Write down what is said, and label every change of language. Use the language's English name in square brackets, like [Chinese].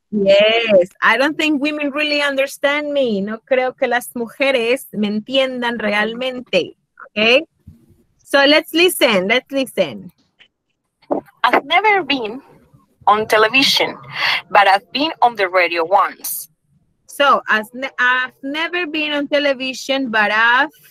[English] Yes, I don't think women really understand me. [Spanish] No creo que las mujeres me entiendan realmente. [English] Okay. So let's listen. I've never been on television, but I've been on the radio once. So, I've never been on television, but I've